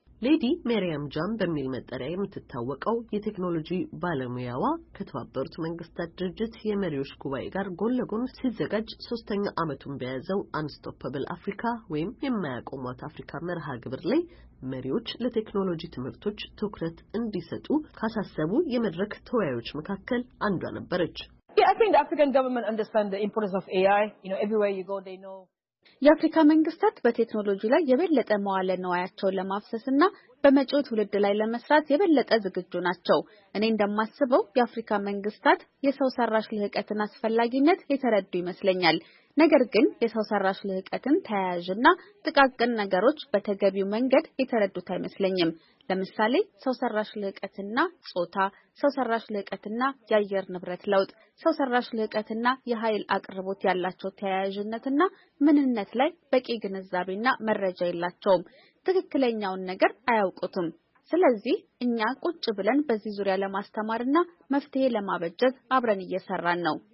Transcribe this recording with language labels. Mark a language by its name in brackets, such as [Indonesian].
[Amharic] ሌዲ ሜሪያም ጃም በሚል መጠሪያ የምትታወቀው የቴክኖሎጂ ባለሙያዋ ከተባበሩት መንግስታት ድርጅት የመሪዎች ጉባኤ ጋር ጎን ለጎን ሲዘጋጅ ሶስተኛ ዓመቱን በያዘው አንስቶፐብል አፍሪካ ወይም የማያቆሟት አፍሪካ መርሃ ግብር ላይ መሪዎች ለቴክኖሎጂ ትምህርቶች ትኩረት እንዲሰጡ ካሳሰቡ የመድረክ ተወያዮች መካከል አንዷ ነበረች። [English] Yeah, I think the African government understand the importance of AI. You know, everywhere you go, they know. [Amharic] የአፍሪካ መንግስታት በቴክኖሎጂ ላይ የበለጠ መዋለ ንዋያቸውን ለማፍሰስና በመጪው ትውልድ ላይ ለመስራት የበለጠ ዝግጁ ናቸው። እኔ እንደማስበው የአፍሪካ መንግስታት የሰው ሰራሽ ልህቀትን አስፈላጊነት የተረዱ ይመስለኛል። ነገር ግን የሰው ሰራሽ ልህቀትን ተያያዥና ጥቃቅን ነገሮች በተገቢው መንገድ የተረዱት አይመስለኝም። ለምሳሌ ሰው ሰራሽ ልህቀትና ጾታ፣ ሰው ሰራሽ ልህቀትና የአየር ንብረት ለውጥ፣ ሰው ሰራሽ ልህቀትና የኃይል አቅርቦት ያላቸው ተያያዥነትና ምንነት ላይ በቂ ግንዛቤና መረጃ የላቸውም። ትክክለኛውን ነገር አያውቁትም። ስለዚህ እኛ ቁጭ ብለን በዚህ ዙሪያ ለማስተማርና መፍትሄ ለማበጀት አብረን እየሰራን ነው።